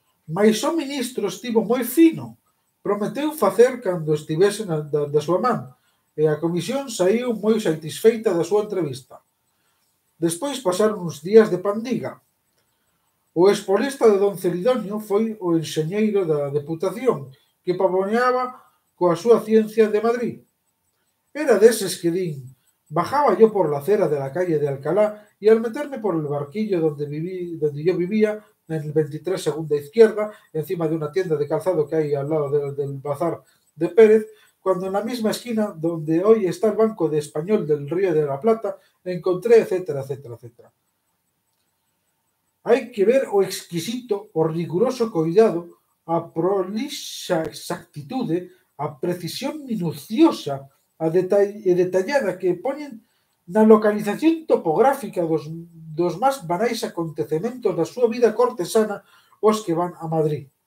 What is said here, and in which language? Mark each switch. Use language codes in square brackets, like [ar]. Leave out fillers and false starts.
[gl] Mas o ministro estivo moi fino, prometeu facer cando estivese da súa man, e a comisión saíu moi satisfeita da súa entrevista. Despois pasaron uns días de pandiga. O expolista de don Celidonio foi o enxeñeiro da deputación que pavoneaba coa súa ciencia de Madrid. Era deses que din, [es] bajaba yo por la acera de la calle de Alcalá e al meterme por el barquillo donde yo vivía, en el 23 segunda izquierda, encima de una tienda de calzado que hay al lado del bazar de Pérez, cuando en la misma esquina donde hoy está el Banco de Español del Río de la Plata, encontré etcétera, etcétera, etcétera. [gl] Hay que ver o exquisito, o riguroso cuidado, a prolixa exactitude, a precisión minuciosa e detallada que ponen na localización topográfica dos máis banais acontecementos da súa vida cortesana os que van a Madrid.